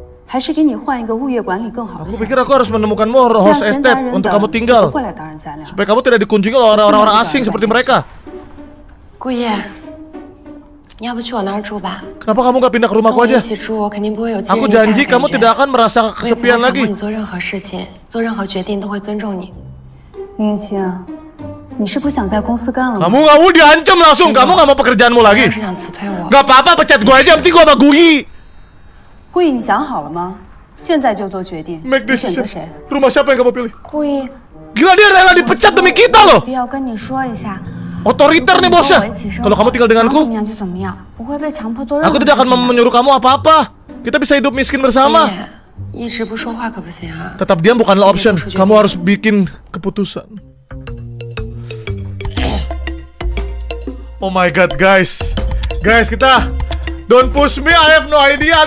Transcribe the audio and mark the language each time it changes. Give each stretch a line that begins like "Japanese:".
Chinese: 还是给你换一个物业管理更好的。
Indonesian: Aku pikir aku harus menemukan
English: more host estate
Indonesian: untuk kamu tinggal. Supaya kamu tidak dikunjungi oleh orang-orang asing seperti mereka.
Chinese: Guiyi, 你要不去我那儿住吧。
Indonesian: Kenapa kamu nggak pindah ke rumahku aja?
Chinese: 跟我一起住，我肯定不会有寂寞。
Indonesian: Aku janji kamu tidak akan merasa kesepian lagi.
Chinese: 我会做任何事情，做任何决定都会尊重你。宁清，你是不想在公司干了吗？
Indonesian: Kamu nggak mau diancam langsung, kamu nggak mau pekerjaanmu lagi.
Chinese: 你是想辞退我？
Indonesian: Gak apa-apa, pecat gua aja, penting gua sama Guiyi.
Chinese: Guiyi, 你想好了吗？现在就做决定。
English: Make this
Chinese: 你选择谁
Indonesian: ？Rumah siapa yang kamu pilih？ Guiyi, gila dia rela dipecat demi kita loh。
Chinese: 必要跟你说一下。
Indonesian: Otoriter nih bosnya。 Kalau kamu tinggal denganku，
Chinese: 怎么样就怎么样，不会被强迫做任何。
Indonesian: Aku tidak akan menyuruh kamu apa-apa。 Kita bisa hidup miskin bersama。
Chinese: 一直不说话可不行啊。
Indonesian: Tetap diam bukanlah option， kamu harus bikin keputusan。
English: Oh my god guys， guys kita。 Don't push me, I have no idea.